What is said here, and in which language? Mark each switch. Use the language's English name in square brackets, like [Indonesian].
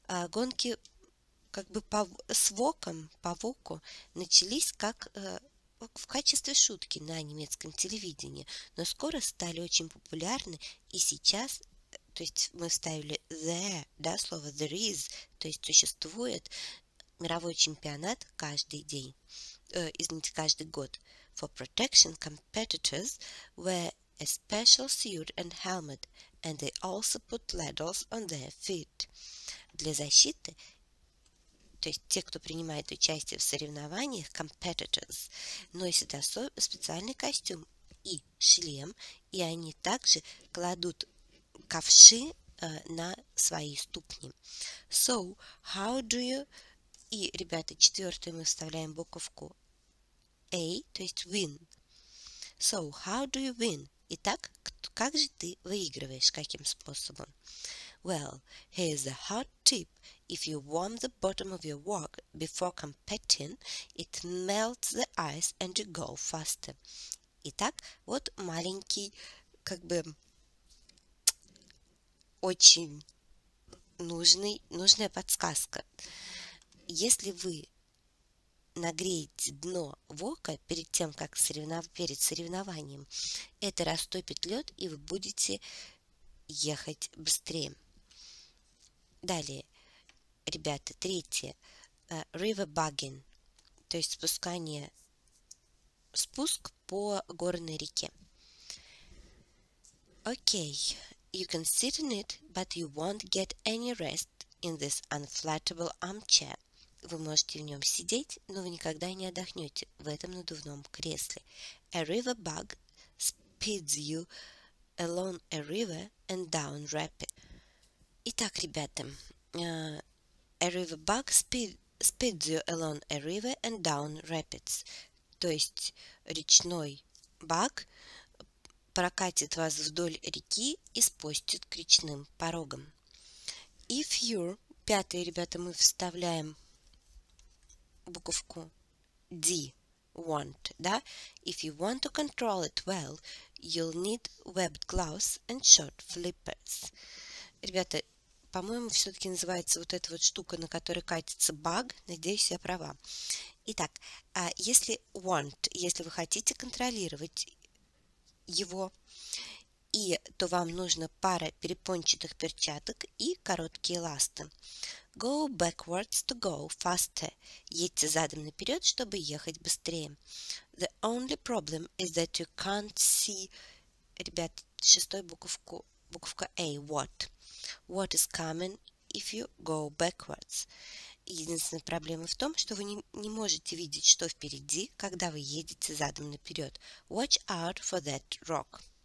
[Russian] Гонки как бы по воку начались как в качестве шутки на немецком телевидении, но скоро стали очень популярны, и сейчас, то есть мы вставили there, да, слово there is, то есть существует мировой чемпионат каждый день, каждый год. [English] For protection competitors wear a special suit and helmet, and they also put ladders on their feet. [Russian] Для защиты, то есть те, кто принимает участие в соревнованиях, competitors, носят специальный костюм и шлем, и они также кладут ковши на свои ступни. [English] So, how do you... [Russian] И, ребята, четвертую мы вставляем буковку A, то есть [English] win. So, how do you win? [Russian] Итак, как же ты выигрываешь, каким способом? [English] Well, here's a hot tip. If you warm the bottom of your wok before competing, it melts the ice and you go faster. [Russian] Итак, вот маленький, как бы, очень нужная подсказка. Если вы нагреете дно вока перед тем, как перед соревнованием, это растопит лед, и вы будете ехать быстрее. Далее, ребята, третье. River bugging, то есть спускание, спуск по горной реке. Окей. [English] You can sit in it, but you won't get any rest in this inflatable armchair. [Russian] Вы можете в нем сидеть, но вы никогда не отдохнете в этом надувном кресле. [English] A river bug speeds you along a river and down rapid. [Russian] Итак, ребята, [English] a river bug speeds you along a river and down rapids. [Russian] То есть речной баг прокатит вас вдоль реки и спустит к речным порогам. [English] If you're... [Russian] Пятое, ребята, мы вставляем буковку D, want, да? [English] If you want to control it well, you'll need webbed gloves and short flippers. [Russian] Ребята, по-моему, все-таки называется вот эта вот штука, на которой катится баг. Надеюсь, я права. Итак, если want, если вы хотите контролировать его, и то вам нужна пара перепончатых перчаток и короткие ласты. [English] Go backwards to go faster. [Russian] Едьте задом наперед, чтобы ехать быстрее. [English] The only problem is that you can't see... [Russian] Ребят, шестой буковку, буковка A, what. [English] What is coming if you go backwards? [Russian] Единственная проблема в том, что вы не можете видеть, что впереди, когда вы едете задом наперед. [English] Watch out for that rock.